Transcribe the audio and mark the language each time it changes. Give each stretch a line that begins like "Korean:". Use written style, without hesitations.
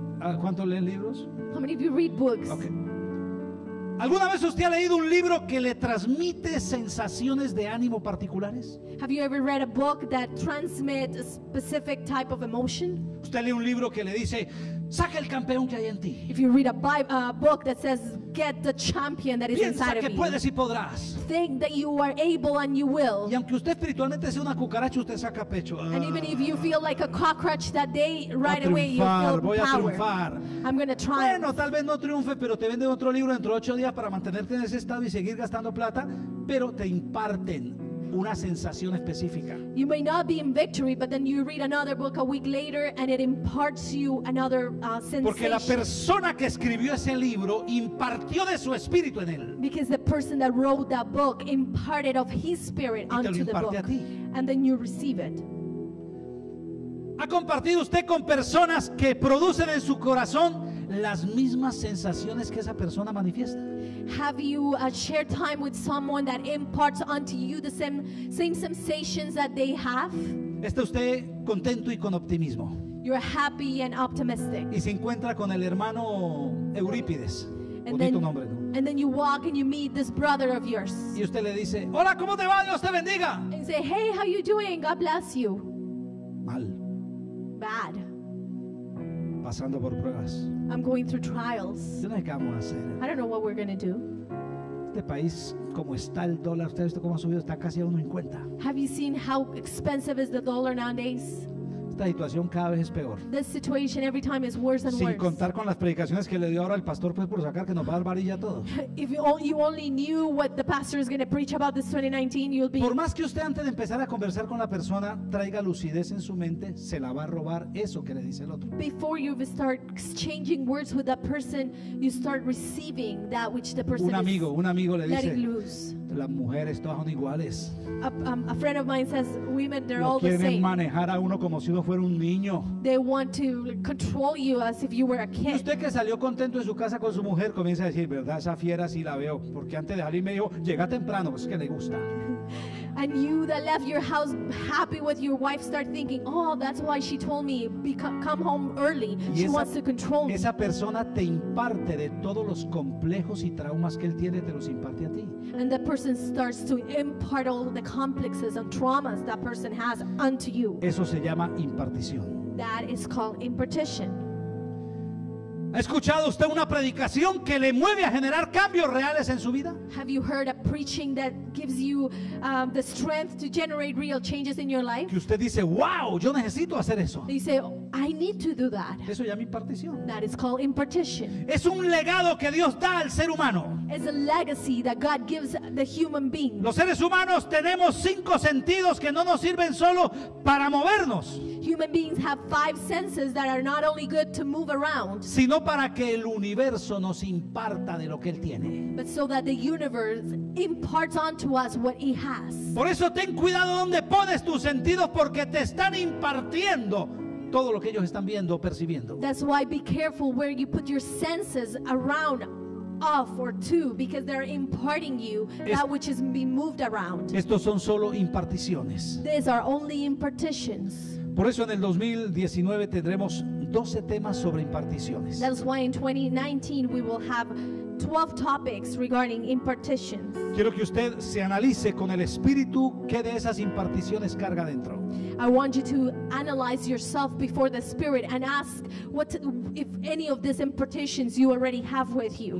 Spanish: ¿A cuánto leen libros?
English: How many of you read books? Okay.
Spanish: ¿Alguna vez usted ha leído un libro que le transmite sensaciones de ánimo particulares?
English: Have you ever read a book that transmits a specific type of emotion?
Spanish: ¿Usted lee un libro que le dice, saca el campeón que hay en ti?
English: If you read a book that says, get the champion that is
Spanish: Piensa
English: inside of you.
Spanish: Piensa que puedes y podrás.
English: Think that you are able and you will.
Spanish: Y aunque usted espiritualmente sea una cucaracha, usted saca pecho.
English: And even if you feel like a cockroach that day, right away you feel
Spanish: voy Voy a triunfar.
English: I'm going to triumph.
Spanish: Bueno, tal vez no triunfe, pero te venden otro libro dentro de 8 días para mantenerte en ese estado y seguir gastando plata, pero te imparten una sensación específica.
English: You may not be in victory, but then you read another book a week later and it imparts you another sensation.
Spanish: Porque la persona que escribió ese libro impartió de su espíritu en él.
English: Because the person that wrote that book imparted of his spirit onto the book. And then you receive it.
Spanish: ¿Ha compartido usted con personas que producen en su corazón las mismas sensaciones que esa persona manifiesta?
English: Have you shared time with someone that imparts onto you the same sensations that they have?
Spanish: ¿Está usted contento y con optimismo?
English: You're happy and optimistic.
Spanish: ¿Y se encuentra con el hermano Eurípides? Bonito nombre, ¿no?
English: And then you walk and you meet this brother of yours.
Spanish: Y usted le dice, hola, ¿cómo te va? Dios te bendiga.
English: And say, hey, how you doing? God bless you.
Spanish: Mal.
English: Bad.
Spanish: Pasando por pruebas.
English: I'm going through trials.
Spanish: Yo no sé qué vamos a hacer.
English: I don't know what we're going to do.
Spanish: Este país, como está el dólar, ¿ustedes cómo ha subido? Está casi a 1.50.
English: Have you seen how expensive is the dollar nowadays?
Spanish: Esta situación cada vez es peor.
English: This situation every time is worse and
Spanish: Sin
English: worse.
Spanish: Sin contar con las predicaciones que le dio ahora el pastor, pues, por sacar que nos va a dar varilla a todos.
English: If you only knew what the pastor is going to preach about this 2019, you'll be.
Spanish: Por más que usted antes de empezar a conversar con la persona traiga lucidez en su mente, se la va a robar eso que le dice el otro.
English: Before you start exchanging words with that person, you start receiving that which the person
Spanish: un amigo le dice.
English: Letting loose.
Spanish: Las mujeres todas son iguales.
English: A friend of mine says women they're all the same.
Spanish: Quieren manejar a uno como si uno fuera un niño.
English: They want to control you as if you were a kid.
Spanish: Y usted que salió contento en su casa con su mujer comienza a decir, ¿verdad? Esa fiera sí la veo, porque antes de salir me dijo, llega temprano, es que le gusta.
English: And you that left your house happy with your wife start thinking, oh, that's why she told me come home early. She wants to control me.
Spanish: Esa persona te imparte de todos los complejos y traumas que él tiene, te los imparte a ti.
English: And that person starts to impart all the complexes and traumas that person has unto you.
Spanish: Eso se llama impartición.
English: That is called impartition.
Spanish: ¿Ha escuchado usted una predicación que le mueve a generar cambios reales en su vida?
English: Have you heard a preaching that gives you the strength to generate real changes in your life?
Spanish: Que usted dice, wow, yo necesito hacer eso.
English: You say, I need to do that.
Spanish: Eso llama impartición.
English: That is called impartition.
Spanish: Es un legado que Dios da al ser humano.
English: It's a legacy that God gives the human being.
Spanish: Los seres humanos tenemos 5 sentidos que no nos sirven solo para movernos.
English: Human beings have 5 senses that are not only good to move around,
Spanish: sino para que el universo nos imparta de lo que él tiene.
English: But so that the universe imparts onto us what he has.
Spanish: Por eso ten cuidado donde pones tus sentidos, porque te están impartiendo todo lo que ellos están viendo o percibiendo.
English: That's why be careful where you put your senses around off or to, because they're imparting you that which is being moved around.
Spanish: Estos son solo imparticiones.
English: These are only impartitions.
Spanish: Por eso en el 2019 tendremos 12 temas sobre imparticiones.
English: That's why in 2019 we will have 12 topics regarding impartitions.
Spanish: Quiero que usted se analice con el espíritu que de esas imparticiones carga dentro.
English: I want you to analyze yourself before the spirit and ask what if any of these impartitions you already have with you.